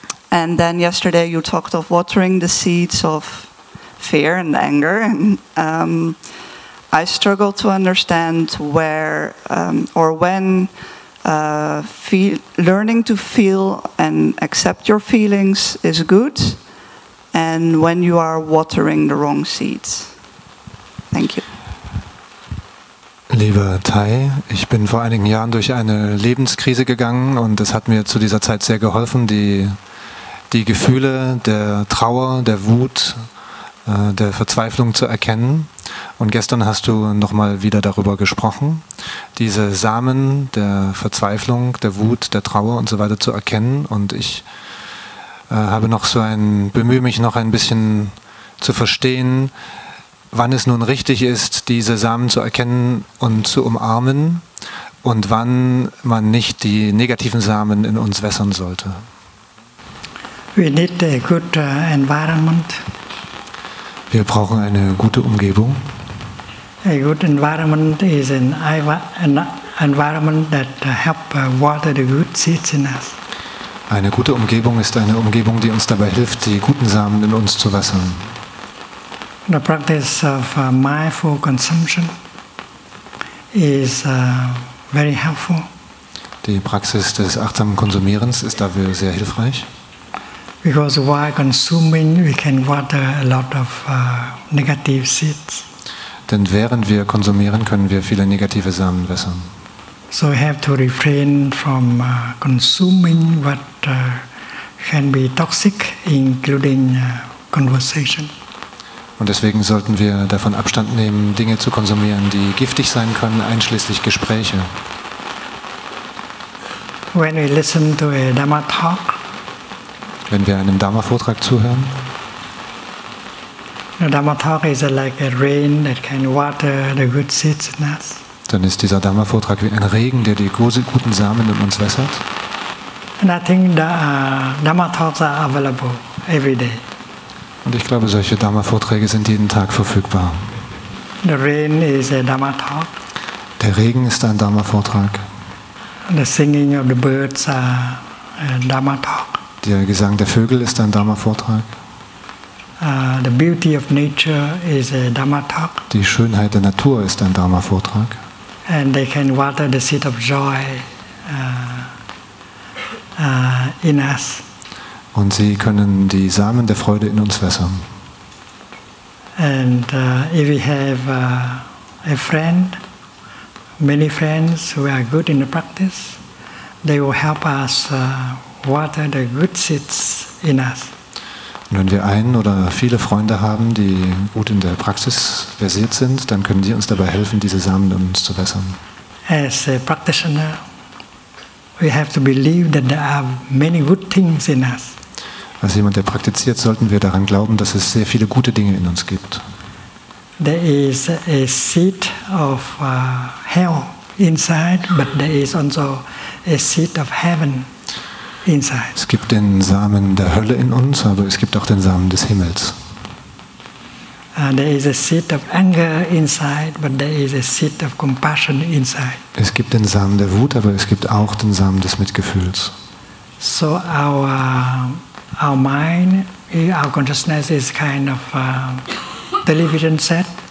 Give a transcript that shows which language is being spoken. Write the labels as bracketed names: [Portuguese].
[English] And then yesterday you talked of watering the seeds of fear and anger, and I struggle to understand where or when learning to feel and accept your feelings is good, and when you are watering the wrong seeds. Thank you. [German] Lieber Tai, ich bin vor einigen Jahren durch eine Lebenskrise gegangen und es hat mir zu dieser Zeit sehr geholfen, die Gefühle der Trauer, der Wut, der Verzweiflung zu erkennen. Und gestern hast du nochmal wieder darüber gesprochen, diese Samen der Verzweiflung, der Wut, der Trauer und so weiter zu erkennen. Und ich bemühe mich noch ein bisschen zu verstehen, wann es nun richtig ist, diese Samen zu erkennen und zu umarmen und wann man nicht die negativen Samen in uns wässern sollte. [English] We need a good environment. [German] Wir brauchen eine gute Umgebung. [English] A good environment is an environment that helps water the good seeds in us. [German] Eine gute Umgebung ist eine Umgebung, die uns dabei hilft, die guten Samen in uns zu wässern. [English] The practice of mindful consumption is very helpful. [German] Die Praxis des achtsamen Konsumierens ist dafür sehr hilfreich. [English] Because while consuming, we can water a lot of negative seeds. [German] Denn während wir konsumieren, können wir viele negative Samen wässern. [English] So we have to refrain from consuming what can be toxic, including conversation. [German] Und deswegen sollten wir davon Abstand nehmen, Dinge zu konsumieren, die giftig sein können, einschließlich Gespräche. [English] When we listen to a Dhamma talk, [German] wenn wir einem Dharma-Vortrag zuhören. [English] The Dharma talk is like a rain that can water the good seeds in us. [German] Dann ist dieser Dharma-Vortrag wie ein Regen, der die guten Samen in uns wässert. [English] And I think the Dharma talks are available every day. [German] Und ich glaube, solche Dharma-Vorträge sind jeden Tag verfügbar. [English] The rain is a Dharma talk. [German] Der Regen ist ein Dharma-Vortrag. [English] The singing of the birds are a Dharma talk. [German] Der Gesang der Vögel ist ein Dharma-Vortrag. [English] The beauty of nature is a Dharma talk. [German] Die Schönheit der Natur ist ein Dharma-Vortrag. [English] And they can water the seed of joy in us. [German] Und sie können die Samen der Freude in uns wässern. [English] And if we have a friend, many friends who are good in the practice, they will help us water the good seeds in us. [German] Und wenn wir einen oder viele Freunde haben, die gut in der Praxis versiert sind, dann können sie uns dabei helfen, diese Samen in uns zu wässern. [English] As a practitioner, we have to believe that there are many good things in us. [German] Als jemand, der praktiziert, sollten wir daran glauben, dass es sehr viele gute Dinge in uns gibt. [English] There is a seed of hell inside, but there is also a seed of heaven inside. [German] Es gibt den Samen der Hölle in uns, aber es gibt auch den Samen des Himmels. [English] There is a seed of anger inside, but there is a seed of compassion inside. [German] Es gibt den Samen der Wut, aber es gibt auch den Samen des Mitgefühls. [English] So our mind, our consciousness is kind of a television set.